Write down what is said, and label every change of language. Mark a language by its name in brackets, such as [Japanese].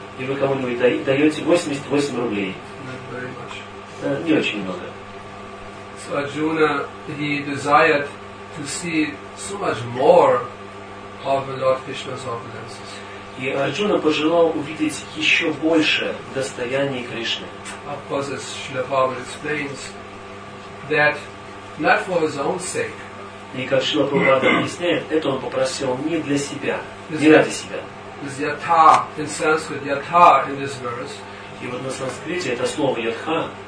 [Russian] И вы кому-нибудь даете 88 рублей. [English] Not very much. [Russian] Не очень много. [English] So Arjuna, he desired to see so much more of Lord Krishna's opulences. [Russian] И Арджуна пожелал увидеть еще больше достояний Кришны. [English] Of course, as Srila Prabhupada explains, that not for his own sake. [Russian] И как Шрила Прабхупада объясняет, это он попросил не для себя, не ради себя. И вот на санскрите это слово «ятха».